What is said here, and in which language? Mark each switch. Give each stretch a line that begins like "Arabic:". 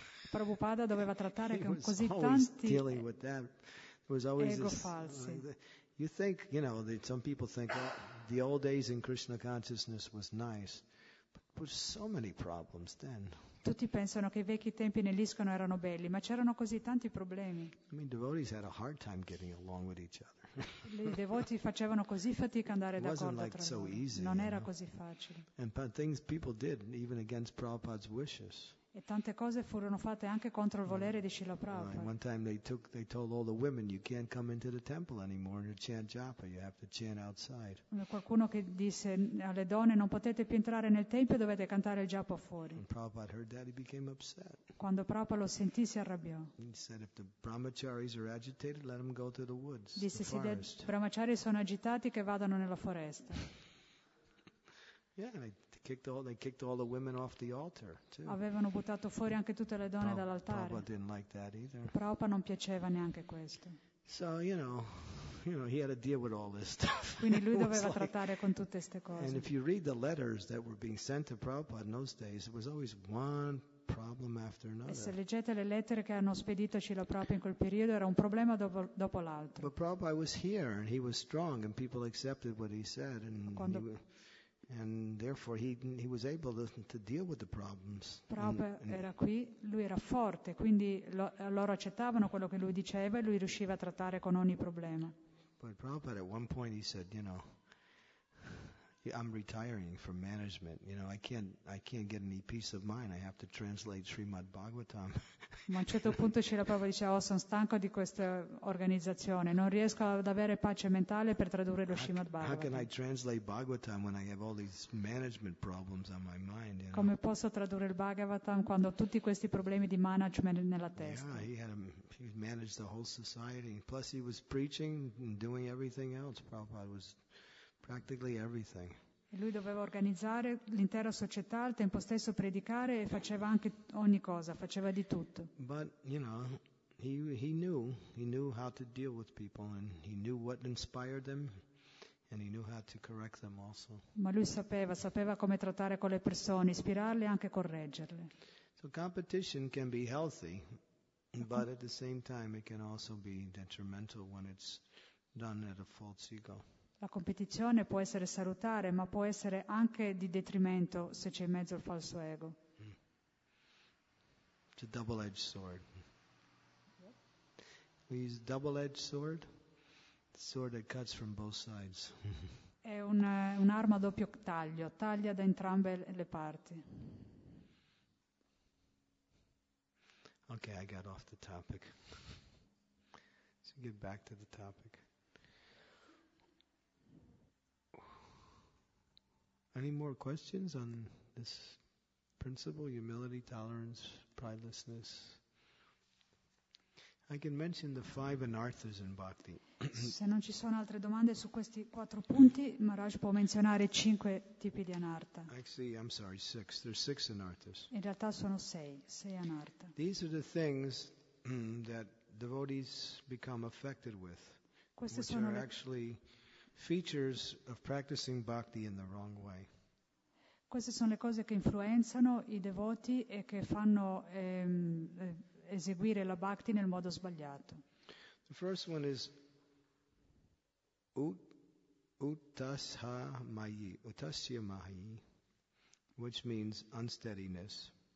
Italian: Prabhupada doveva trattare con così tanti ego falsi.
English: You think, you know, that some people think the old days in Krishna consciousness was nice, but there were so many problems then.
Italian: Tutti pensano che i vecchi tempi nell'ISKCON erano belli, ma c'erano così tanti problemi.
English: I mean, devotees had a hard time getting along with each other.
Italian: I devoti facevano così fatica andare d'accordo tra loro.
English: So easy,
Italian: non era così facile.
English: And things people did even against Prabhupada's wishes.
Italian: E tante cose furono fatte anche contro il volere di Srila Prabhupada.
English: Right. One time they told all the women you can't come into the temple anymore to chant japa, you have to chant outside.
Italian: Qualcuno che disse alle donne non potete più entrare nel tempio, dovete cantare il japa fuori.
English: When Prabhupada heard that, he became upset.
Italian: Quando Prabhupada lo sentì si arrabbiò.
English: He said if the brahmacharis are agitated, let them go to the woods.
Italian: Disse se i brahmachari sono agitati che vadano nella foresta.
English: Yeah, and they kicked all the women off the altar too.
Italian: Avevano buttato fuori anche tutte le donne dall'altare.
English: Prabhupada didn't like that either.
Italian: Prabhupada non piaceva neanche questo.
English: So you know, he had to deal with all this stuff.
Italian: Quindi lui doveva trattare con tutte queste cose.
English: And if you read the letters that were being sent to Prabhupada in those days, it was always one problem after another.
Italian: E se leggete le lettere che hanno spedito Srila Prabhupada in quel periodo, era un problema dopo l'altro.
English: But Prabhupada was here and he was strong and people accepted what he said and
Italian: quando
English: and therefore he was able to deal with the problems.
Italian: Prabhupada era qui, lui era forte, quindi loro accettavano quello che lui diceva e lui riusciva a trattare con ogni problema.
English: But Prabhupada at one point he said, you know, I'm retiring from management. You know, I can't get any peace of mind. I have to translate Srimad Bhagavatam.
Italian: Ma a un certo punto Srila Prabhupada dice, oh, sono stanco di questa organizzazione. Non riesco ad avere pace mentale per tradurre lo Srimad Bhagavatam.
English: How can I translate Bhagavatam when I have all these management problems on my mind? You know?
Italian: Come posso tradurre il Bhagavatam quando ho tutti questi problemi di management nella testa?
English: Yeah, he managed the whole society. Plus he was preaching and doing everything else. Prabhupada was practically everything.
Italian: E lui doveva organizzare l'intera società, al tempo stesso predicare e faceva anche ogni cosa, faceva di tutto.
English: But you know, he knew how to deal with people and he knew what inspired them and he knew how to correct them also.
Italian: Ma lui sapeva come trattare con le persone, ispirarle e anche correggerle.
English: So competition can be healthy, but at the same time it can also be detrimental when it's done at a false ego.
Italian: La competizione può essere salutare, ma può essere anche di detrimento se c'è in mezzo il falso ego.
English: It's a double-edged sword. We use double-edged sword, the sword that cuts from both sides.
Italian: È un'arma a doppio taglio, taglia da entrambe le parti.
English: Okay, I got off the topic. So get back to the topic. Any more questions on this principle, humility, tolerance, pridelessness? I can mention the five anarthas in bhakti.
Italian: Se non ci sono altre domande su questi quattro punti, Maharaj può menzionare cinque tipi di anartha.
English: Actually, I'm sorry, six. There's six anarthas.
Italian: In realtà sono sei anartha.
English: These are the things that devotees become affected with,
Italian: queste
English: which
Italian: sono
English: are actually features of practicing bhakti in the wrong way.
Italian: Queste sono le cose che influenzano i devoti e che fanno eseguire la bhakti nel modo sbagliato.
English: The first one is uttasha mayi, uttasya mayi, which means unsteadiness.